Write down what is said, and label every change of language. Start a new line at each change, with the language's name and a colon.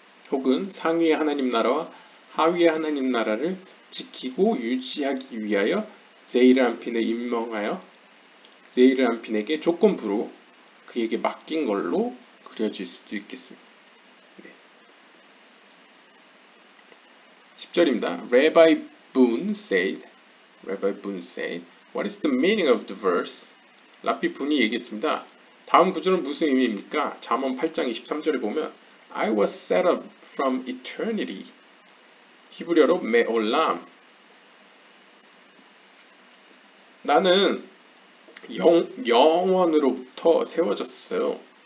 Korean: 혹은 상위의 하나님 나라와 하위의 하나님 나라를 지키고 유지하기 위하여 제이람핀을 임명하여 제이람핀에게 조건부로 그에게 맡긴 걸로 그려질 수도 있겠습니다. 10절입니다.
English: Rabbi Boone said, Rabbi Boone said, What is the meaning of the verse?
Korean: 랍비 분이 얘기했습니다. 다음 구절은 무슨 의미입니까? 잠언 8장 23절에 보면
English: I was set up from eternity.
Korean: 히브리어로 메올람 나는 영원으로부터 세워졌어요.